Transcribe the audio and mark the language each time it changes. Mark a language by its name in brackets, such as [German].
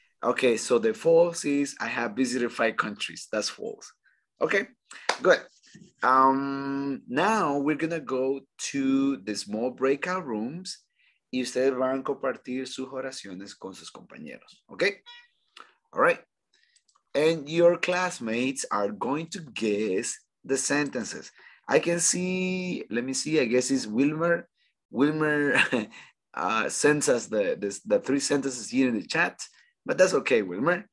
[English] Okay, so the false is I have visited 5 countries. That's false. Okay, good. Now we're going to go to the small breakout rooms. [Spanish] Y ustedes van a compartir sus oraciones con sus compañeros. [English] Okay? All right. And your classmates are going to guess the sentences. I can see, let me see, I guess it's Wilmer. Wilmer sends us the three sentences here in the chat, but that's okay, Wilmer.